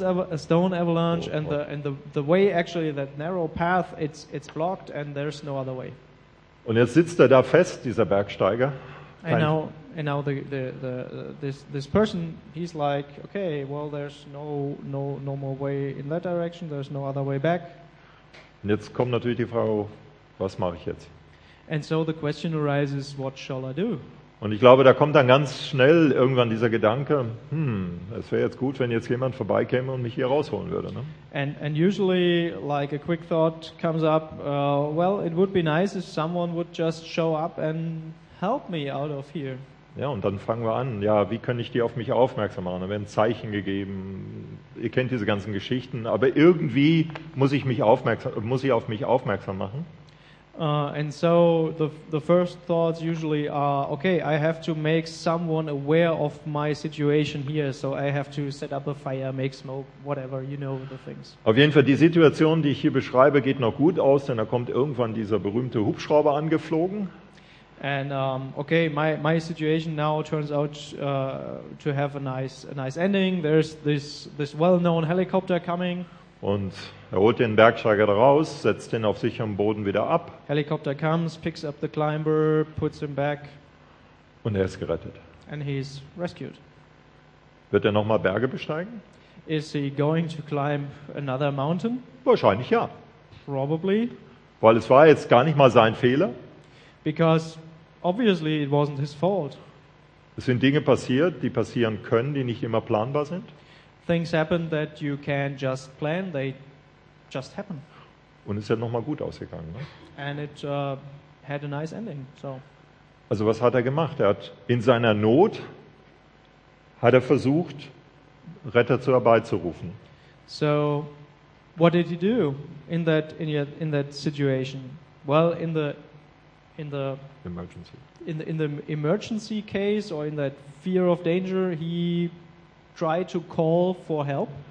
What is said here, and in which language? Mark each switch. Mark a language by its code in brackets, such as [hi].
[en] A stone avalanche oh, and the way actually, that narrow path, it's blocked and there's no other way. [de] Und jetzt sitzt er da fest, dieser Bergsteiger. [en] And now this person, he's like, okay, well, there's no more way in that direction, there's no other way back. [de] Und jetzt kommt natürlich die Frage, was mache ich jetzt? [en] And so the question arises, what shall I do? [de] Und ich glaube, da kommt dann ganz schnell irgendwann dieser Gedanke, es wäre jetzt gut, wenn jetzt jemand vorbeikäme und mich hier rausholen würde, ne? [en] And usually like a quick thought comes up, well, it would be nice if someone would just show up and help me out of here. [de] Ja, und dann fangen wir an. Ja, wie kann ich die auf mich aufmerksam machen? Da werden Zeichen gegeben. Ihr kennt diese ganzen Geschichten, aber irgendwie muss ich auf mich aufmerksam machen. [en] And so the first thoughts usually are, okay, I have to make someone aware of my situation here, so I have to set up a fire, make smoke, whatever, you know the things. [de] Auf jeden Fall, die Situation, die ich hier beschreibe, geht noch gut aus, denn da kommt irgendwann dieser berühmte Hubschrauber angeflogen. [en] And okay, my situation now turns out to have a nice ending. There's this well-known helicopter coming. [de] Und er holt den Bergsteiger da raus, setzt ihn auf sicherem Boden wieder ab. [en] Helicopter comes, picks up the climber, puts him back. [de] Und er ist gerettet. [en] And he's rescued. [de] Wird er nochmal Berge besteigen? [en] Is he going to climb another mountain? [de] Wahrscheinlich ja. [en] Probably. [de] Weil es war jetzt gar nicht mal sein Fehler. [en] Because obviously it wasn't his fault. [de] Es sind Dinge passiert, die passieren können, die nicht immer planbar sind. [en] Things happen that you can't just plan, they just happen. [de] Und es ist ja nochmal gut ausgegangen, ne? [en] And it had a nice ending, so. [de] Also was hat er gemacht? Er hat in seiner Not hat er versucht, Retter zu herbeizurufen. [en] So what did he do in that situation? Well, in the emergency. In the emergency case or in that fear of danger, he tried to call for help.